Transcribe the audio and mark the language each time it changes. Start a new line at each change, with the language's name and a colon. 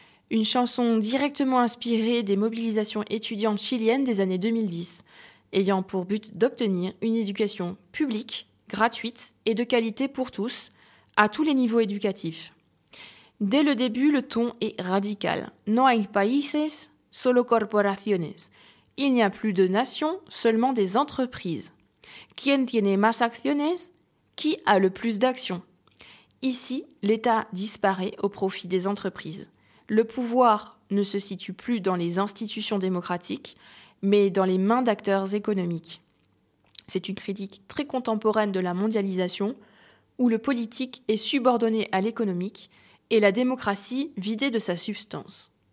French: Une chanson directement inspirée des mobilisations étudiantes chiliennes des années 2010, ayant pour but d'obtenir une éducation publique, gratuite et de qualité pour tous, à tous les niveaux éducatifs. Dès le début, le ton est radical. «
Spanish: No hay países, solo corporaciones.
French: » Il n'y a plus de nations, seulement des entreprises.
Spanish: ¿Quién tiene más acciones?
French: Qui a le plus d'actions? Ici, l'État disparaît au profit des entreprises. Le pouvoir ne se situe plus dans les institutions démocratiques, mais dans les mains d'acteurs économiques. C'est une critique très contemporaine de la mondialisation, où le politique est subordonné à l'économique et la démocratie vidée de sa substance.